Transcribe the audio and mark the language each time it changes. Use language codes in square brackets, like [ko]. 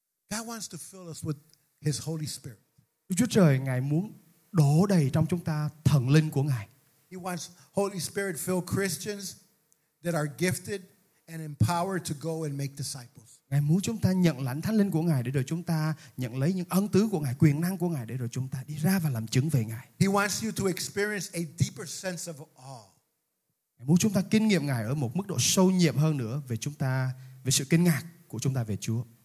[en] God wants to fill us with his Holy Spirit. [vi] Đức Chúa Trời Ngài muốn đổ đầy trong chúng ta thần linh của Ngài. [en] He wants Holy Spirit fill Christians that are gifted and empowered to go and make disciples. [vi] Ngài muốn chúng ta nhận lãnh thánh linh của Ngài để rồi chúng ta nhận lấy những ân tứ của Ngài, quyền năng của Ngài để rồi chúng ta đi ra và làm chứng về Ngài. [en] He wants you to experience a deeper sense of awe. [vi] Ngài muốn chúng ta kinh nghiệm Ngài ở một mức độ sâu nhiệm hơn nữa về chúng ta, về sự kinh ngạc của chúng ta về Chúa.